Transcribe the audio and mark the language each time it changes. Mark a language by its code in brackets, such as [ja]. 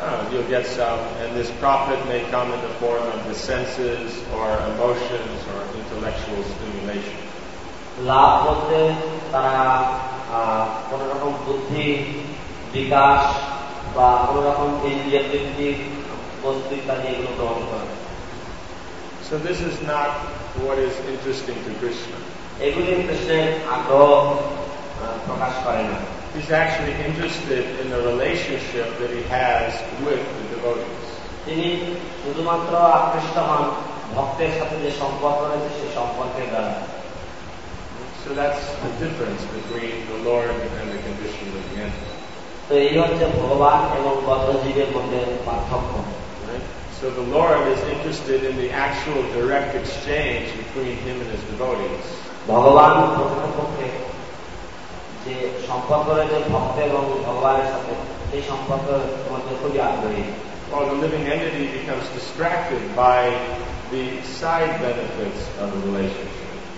[en] you'll get some, and this profit may come in the form of the senses or emotions or intellectual stimulation. [bn] লাভ হতে তারা কোন রকম বুদ্ধি বিকাশ বা কোন রকম ইন্দ্রিয়বৃত্তির বস্তু ইত্যাদি এগুলো গ্রহণ করে. [en] So this is not what is interesting to Krishna. [bn] এগুলি কৃষ্ণের আগ্রহ প্রকাশ করে না. [en] He's actually interested in the relationship that he has with the devotees. [bn] তিনি শুধুমাত্র আকৃষ্ট হন ভক্তের সাথে যে সম্পর্ক রয়েছে সেই সম্পর্কের দ্বারা. [en] So that's the difference between the Lord and the conditioned of the animal. [bn] তো এই হচ্ছে ভগবান এবং বদ্ধজীবের মধ্যে পার্থক্য. [en] So the Lord is interested in the actual direct exchange between him and his devotees. [bn] ভগবান প্রকৃতপক্ষে যে সম্পর্ক রয়েছে ভক্ত এবং ভগবানের সাথে সেই সম্পর্কের মধ্যে খুবই আগ্রহী. [en] Or the living entity becomes distracted by the side benefits of the relationship.